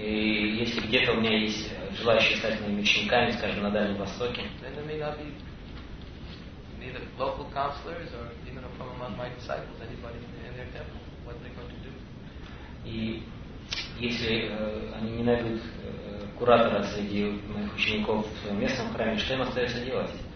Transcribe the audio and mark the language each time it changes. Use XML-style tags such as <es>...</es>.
<ru>И если где-то у меня есть желающие стать моими учениками, скажем, на Дальнем Востоке.</ru> <en>Then there may not be either local counselors or even from among my disciples, anybody in their temple. What are they going to do?</en> <ru>И если они не найдут куратора среди моих учеников в своем местном храме, что им остается делать?</ru>